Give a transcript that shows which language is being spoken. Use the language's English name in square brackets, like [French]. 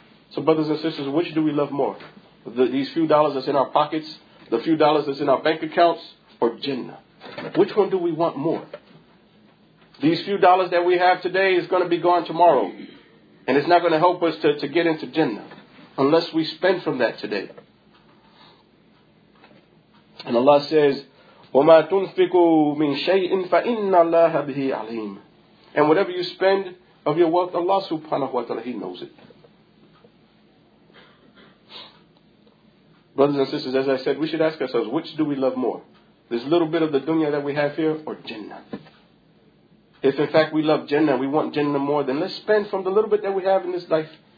[English] So brothers and sisters, which do we love more? These few dollars that's in our pockets, the few dollars that's in our bank accounts, or Jannah? Which one do we want more? These few dollars that we have today is going to be gone tomorrow. And it's not going to help us to get into Jannah. Unless we spend from that today. [Arabic] And Allah says, وَمَا تُنْفِقُوا مِنْ شَيْءٍ فَإِنَّ اللَّهَ بِهِ عَلِيمٍ. [English] And whatever you spend of your wealth, Allah subhanahu wa ta'ala, He knows it. Brothers and sisters, as I said, we should ask ourselves, which do we love more? This little bit of the dunya that we have here, or Jannah? If in fact we love Jannah, we want Jannah more, then let's spend from the little bit that we have in this life.